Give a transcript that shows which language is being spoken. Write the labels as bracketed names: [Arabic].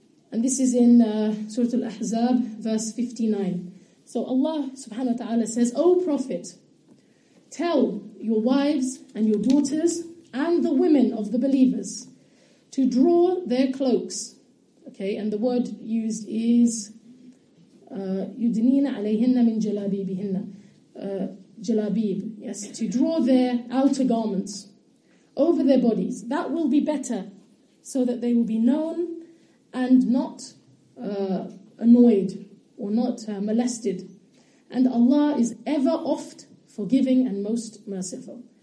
[English] And this is in Surah Al-Ahzab, verse 59. So Allah subhanahu wa ta'ala says, O Prophet, tell your wives and your daughters and the women of the believers to draw their cloaks. Okay, and the word used is [Arabic] يدنين عليهن من جلابيبهن. [English] جلابيب, yes, to draw their outer garments over their bodies. That will be better, so that they will be known and not annoyed or not molested. And Allah is ever oft forgiving and most merciful.